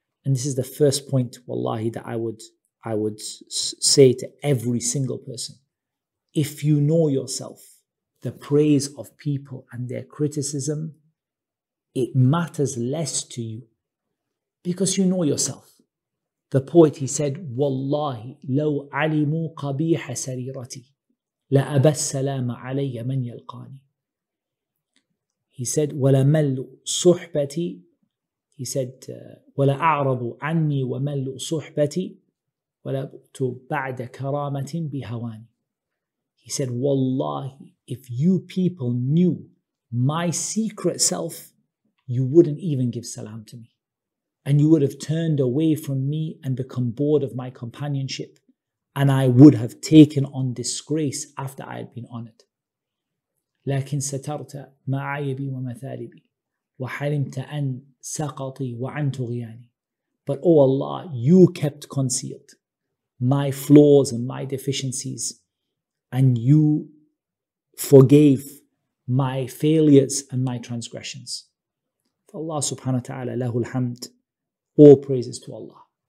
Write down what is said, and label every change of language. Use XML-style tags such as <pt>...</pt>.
<en>And this is the first point, wallahi, that I would say to every single person. If you know yourself, the praise of people and their criticism, it matters less to you because you know yourself. The poet, he said,</en> <ar>وَاللَّهِ لَوْ عَلِمُوا قَبِيحَ سَرِيرَتِي لَأَبَى السَّلَامَ عَلَيَّ مَنْ يَلْقَانِي.</ar> <en>He said,</en> <ar>وَلَمَلُّ صُحْبَتِي.</ar> <en>He said,</en> <ar>وَلَأَعْرَضُ عَنِّي وَمَلُّ صُحْبَتِي وَلَبْتُ بَعْدَ كَرَامَةٍ بِهَوَانِي.</ar> <en>He said, وَاللَّهِ, if you people knew my secret self, you wouldn't even give salam to me. And you would have turned away from me and become bored of my companionship. And I would have taken on disgrace after I had been honored.</en> <ar>لكن سترت معايبي ومثاربي وحرمت أن سقطي وعن تغياني.</ar> <en>But oh Allah, you kept concealed my flaws and my deficiencies, and you forgave my failures and my transgressions. Allah subhanahu wa ta'ala, lahul hamd, all praises to Allah.</en>